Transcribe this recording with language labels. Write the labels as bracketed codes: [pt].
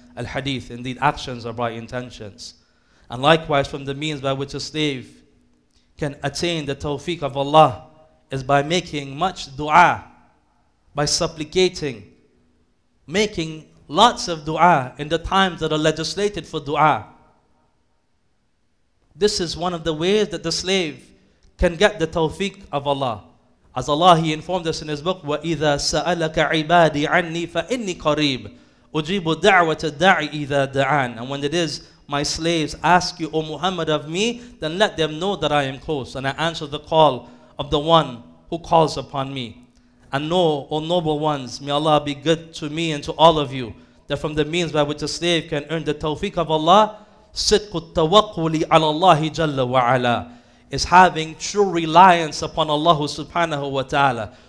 [en] Al-Hadith, indeed, actions are by intentions. And likewise, from the means by which a slave can attain the tawfiq of Allah is by making much dua, by supplicating, making lots of dua in the times that are legislated for dua. This is one of the ways that the slave can get the tawfiq of Allah. As Allah, he informed us in his book, [ar] وَإِذَا سَأَلَكَ عِبَادِي عَنِّي فَإِنِّي قَرِيبٌ أُجِيبُ دَعْوَةَ الدَّاعِ إِذَا دَعَانَ. [en] And when it is my slaves ask you, O Muhammad, of me, then let them know that I am close and I answer the call of the one who calls upon me. And know, O noble ones, may Allah be good to me and to all of you, that from the means by which a slave can earn the tawfiq of Allah, [ar] صِدْقُ التَّوَقُّلِ عَلَى اللَّهِ جَلَّ وَعَلَى, [en] is having true reliance upon Allah subhanahu wa ta'ala.